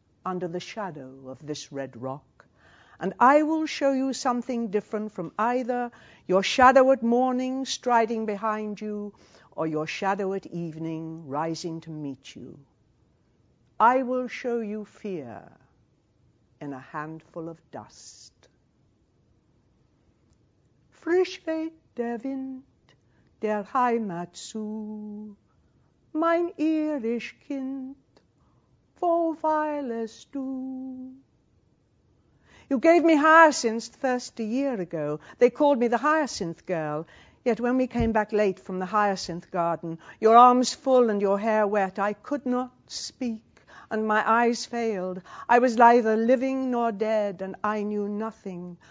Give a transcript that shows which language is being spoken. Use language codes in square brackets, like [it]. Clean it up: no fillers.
[en] Under the shadow of this red rock, and I will show you something different from either your shadow at morning striding behind you or your shadow at evening rising to meet you. I will show you fear in a handful of dust. [de] Frisch weht der Wind der Heimat zu, mein irisch Kind, wo weilest du? [en] You gave me hyacinths first a year ago. They called me the hyacinth girl. Yet when we came back late from the hyacinth garden, your arms full and your hair wet, I could not speak, and my eyes failed. I was neither living nor dead, and I knew nothing.